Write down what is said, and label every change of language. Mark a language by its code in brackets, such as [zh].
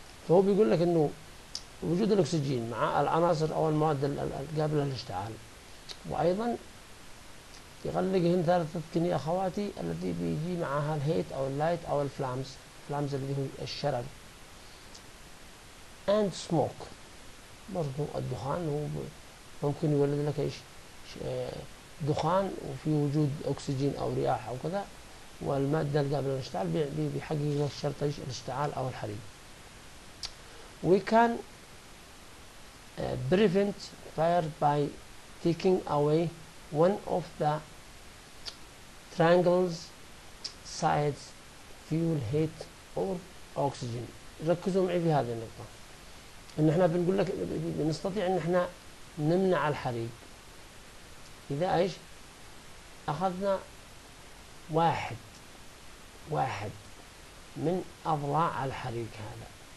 [ar] فهو بيقول لك انه وجود الأكسجين مع العناصر او المواد القابلة للاشتعال، وايضا يغلق هنا ثلاثة كيمياء اخواتي التي بيجي معها الهيت او اللايت او الفلامز، الفلامز اللي هو الشرر and smoke برضو الدخان، هو ممكن يولد لك ايش دخان وفي وجود اكسجين او رياح او كذا، والمادة القابلة للاشتعال بيحقق لك شرط ايش الاشتعال او الحريق. [en] we can prevent fire by taking away one of the triangles sides fuel heat or oxygen. [ar] ركزوا معي في هذه النقطة، ان احنا بنقول لك بنستطيع ان احنا نمنع الحريق اذا ايش اخذنا واحد من اضلاع الحريق هذا.